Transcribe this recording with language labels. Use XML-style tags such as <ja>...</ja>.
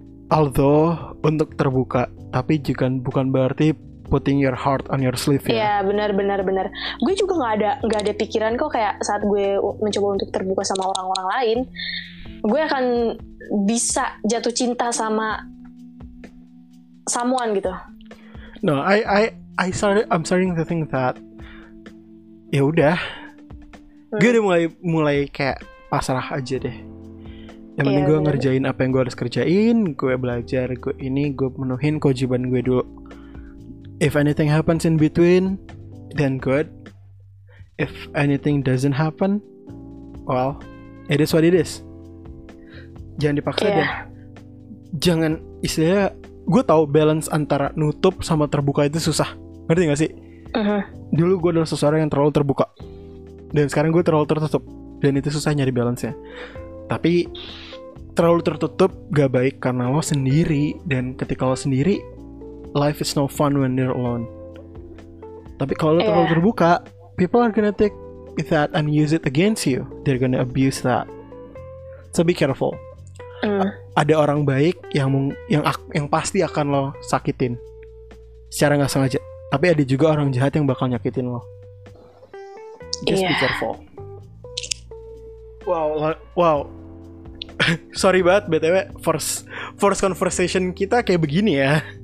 <id>Although untuk terbuka, tapi juga bukan berarti</id> <en>putting your heart on your sleeve,</en> <id>ya. Iya, benar. Gue juga nggak ada pikiran kok kayak saat gue mencoba untuk terbuka sama orang-orang lain, gue akan bisa jatuh cinta sama someone gitu.</id> <en>No, I'm starting to think that</en> <id>ya udah, gue udah mulai kayak pasrah aja deh. Yang penting gue ngerjain apa yang gue harus kerjain, gue belajar, gue menuhin kewajiban gue dulu.</id> <en>If anything happens in between, then good. If anything doesn't happen, well, it is what it is.</en> <id>Jangan dipaksa deh. Jangan, istilahnya, gue tahu balance antara nutup sama terbuka itu susah. Ngerti gak sih? Dulu gue adalah seseorang yang terlalu terbuka. Dan sekarang gue terlalu tertutup. Dan itu susah nyari balance-nya. Tapi terlalu tertutup gak baik karena lo sendiri. Dan ketika lo sendiri,</id> <en>life is no fun when you're alone.</en> <id>Tapi kalau lo terlalu terbuka,</id> <en>people are gonna take that and use it against you. They're gonna abuse that. So be careful.</en> <id>ada orang baik yang pasti akan lo sakitin secara nggak sengaja, tapi ada juga orang jahat yang bakal nyakitin lo.</id> <en>Just be careful. Wow.</en> <id>Sorry banget BTW, first conversation kita kayak begini ya.</id>